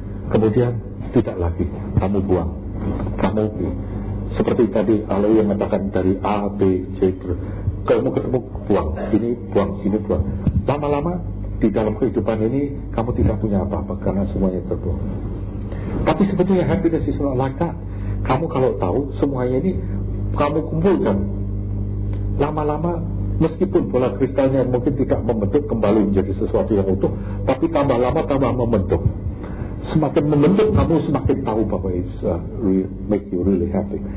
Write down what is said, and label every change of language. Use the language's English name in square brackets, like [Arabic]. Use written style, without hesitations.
[Indonesian] Kemudian tidak lagi, kamu buang. Kamu seperti tadi Aloy yang mengatakan dari A, B, C, kamu ketemu buang, ini buang, ini buang. Lama-lama di dalam kehidupan ini kamu tidak punya apa-apa karena semuanya terbuang. Tapi sebetulnya [English] happiness is not like that. [Indonesian] Kamu kalau tahu semuanya ini kamu kumpulkan, lama-lama meskipun bola kristalnya mungkin tidak membentuk kembali menjadi sesuatu yang utuh, tapi tambah lama tambah membentuk. Semakin membentuk, kamu semakin tahu bahwa [English] it's make you really happy.